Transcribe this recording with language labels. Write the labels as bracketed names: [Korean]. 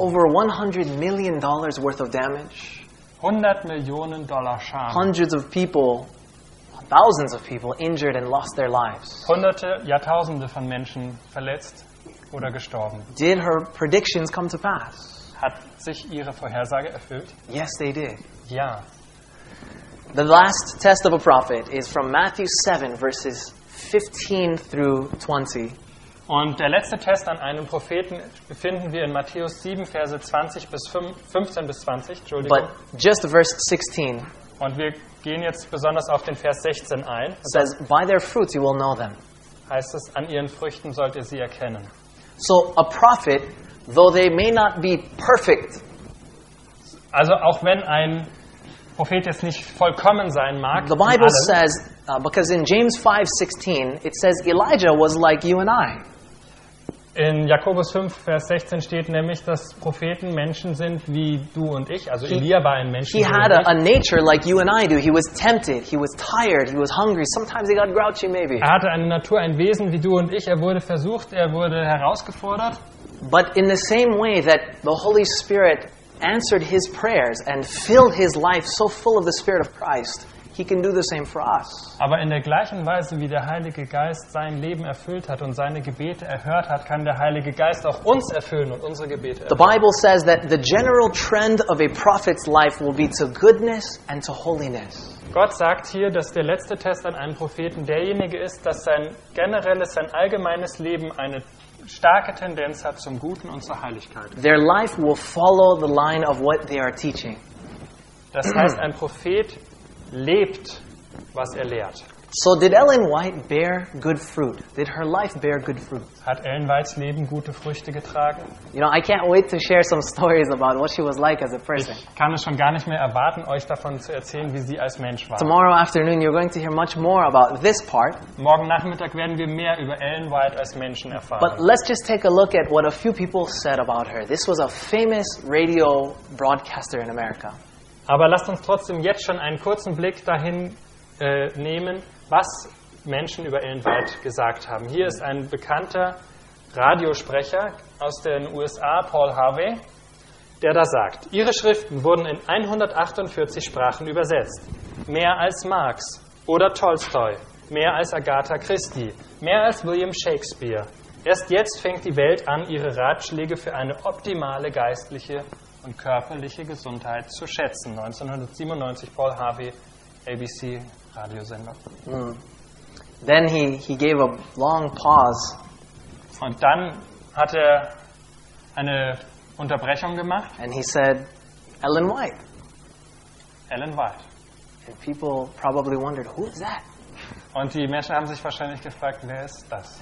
[English] Over $100 million worth of damage. [German] 100 Millionen Dollar Schaden. [English] Hundreds of people, thousands of people injured and lost their lives. [German] Hunderte, ja Tausende von Menschen verletzt oder gestorben. [English] Did her predictions come to pass? [German] Hat sich ihre Vorhersage erfüllt? [English] Yes, they did. [German] Ja. [English] The last test of a prophet is from Matthew 7, verses 15 through 20. [German] Und der letzte Test an einem Propheten finden wir in Matthäus 7, Verse 20 bis 15 bis 20. [English] But just verse 16. [German] Und wir gehen jetzt besonders auf den Vers 16 ein. [English] It says, by their fruits you will know them. [German] Heißt es, an ihren Früchten sollt ihr sie erkennen. [English] So a prophet, though they may not be perfect. [German] Also auch wenn ein Prophet jetzt nicht vollkommen sein mag. [English] The Bible says, because in James 5:16 it says Elijah was like you and I. [German] In Jakobus 5 Vers 16 steht nämlich, dass Propheten Menschen sind wie du und ich, also Elia war ein Mensch. [English] He had a nature like you and I do. He was tempted, he was tired, he was hungry, sometimes he got grouchy maybe. [German] Er hatte eine Natur, ein Wesen wie du und ich, er wurde versucht, er wurde herausgefordert. [English] But in the same way that the Holy Spirit answered his prayers and filled his life so full of the Spirit of Christ, he can do the same for us. [German] Aber in der gleichen Weise, wie der Heilige Geist sein Leben erfüllt hat und seine Gebete erhört hat, kann der Heilige Geist auch uns erfüllen und unsere Gebete erhören. [English] The Bible says that the general trend of a prophet's life will be to goodness and to holiness. [German] Gott sagt hier, dass der letzte Test an einem Propheten derjenige ist, dass sein generelles, sein allgemeines Leben eine starke Tendenz hat zum Guten und zur Heiligkeit. [English] Their life will follow the line of what they are teaching. [German] Das heißt, ein Prophet lebt, was er lehrt. [English] So did Ellen White bear good fruit? Did her life bear good fruit? [German] Hat Ellen White's Leben gute Früchte getragen? [English] You know, I can't wait to share some stories about what she was like as a person. [German] Ich kann es schon gar nicht mehr erwarten, euch davon zu erzählen, wie sie als Mensch war. [English] Tomorrow afternoon you're going to hear much more about this part. [German] Morgen Nachmittag werden wir mehr über Ellen White als Menschen erfahren. [English] But let's just take a look at what a few people said about her. This was a famous radio broadcaster in America. [German] Aber lasst uns trotzdem jetzt schon einen kurzen Blick dahin nehmen, was Menschen über Ellen White gesagt haben. Hier ist ein bekannter Radiosprecher aus den USA, Paul Harvey, der da sagt, ihre Schriften wurden in 148 Sprachen übersetzt. Mehr als Marx oder Tolstoi, mehr als Agatha Christie, mehr als William Shakespeare. Erst jetzt fängt die Welt an, ihre Ratschläge für eine optimale geistliche und körperliche Gesundheit zu schätzen. 1997, Paul Harvey, ABC Radiosender. Mm. [English] Then he gave a long pause. [German] Und dann hat er eine Unterbrechung gemacht. [English] And he said, Ellen White. [German] Ellen White. [English] And people probably wondered, who is that? [German] Und die Menschen haben sich wahrscheinlich gefragt, wer ist das?